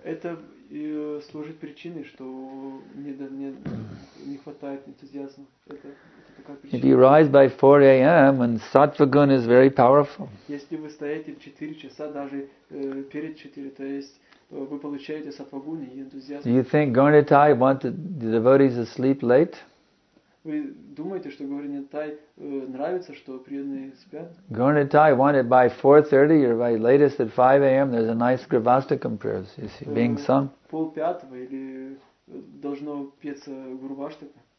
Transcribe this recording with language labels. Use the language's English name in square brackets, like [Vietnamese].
[Russian] Это служит причиной, что не хватает энтузиазма. [English] If you rise by 4 a.m. and sattva gun is very powerful. [Russian] Если вы стоите в 4 часа, даже перед 4, то есть вы получаете сатва гуны и энтузиазм. [English] Do you think Гарнитай want the devotees to sleep late? [Russian] Вы думаете, что Горнитай нравится, что преданные спят? [English] Горнитай wanted by 4:30 or by latest at 5 a.m. There's a nice Гурваштакам prayers, you see, being sung. [Russian] Пол пятого или должно петься Гурваштака.